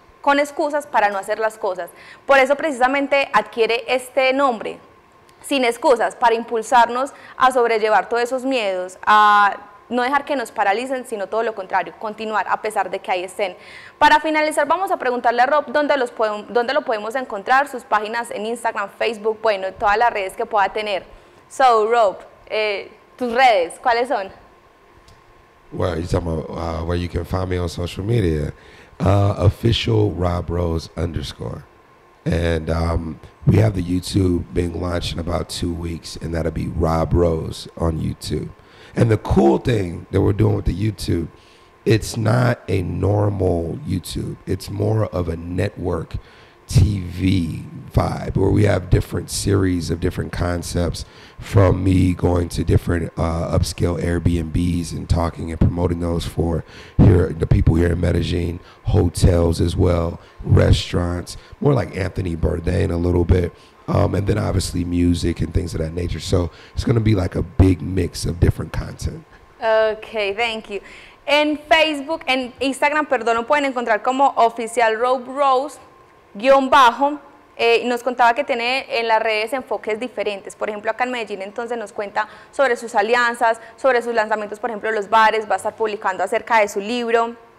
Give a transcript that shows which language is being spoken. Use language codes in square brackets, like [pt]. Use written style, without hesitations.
[es] Con excusas para no hacer las cosas. Por eso precisamente adquiere este nombre, Sin Excusas, para impulsarnos a sobrellevar todos esos miedos, a no dejar que nos paralicen, sino todo lo contrario, continuar a pesar de que ahí estén. Para finalizar, vamos a preguntarle a Rob dónde lo podemos encontrar, sus páginas en Instagram, Facebook, bueno, todas las redes que pueda tener. So, Rob, tus redes, ¿cuáles son? [en] Well, you're talking about where you can find me on social media. Official Rob Rose _. And we have the YouTube being launched in about 2 weeks, and that'll be Rob Rose on YouTube. And the cool thing that we're doing with the YouTube, it's not a normal YouTube. It's more of a network TV vibe where we have different series of different concepts from me going to different upscale Airbnbs and talking and promoting those for here the people here in Medellin, hotels as well, restaurants, more like Anthony Bourdain a little bit. And then obviously music and things of that nature. So it's going to be like a big mix of different content. Okay, thank you. [es] En Facebook, en Instagram, perdón, lo pueden encontrar como Oficial Rob Rose _. Nos contaba que tiene en las redes enfoques diferentes. Por ejemplo, acá en Medellín, entonces nos cuenta sobre sus alianzas, sobre sus lanzamientos, por ejemplo, los bares, va a estar publicando acerca de su libro.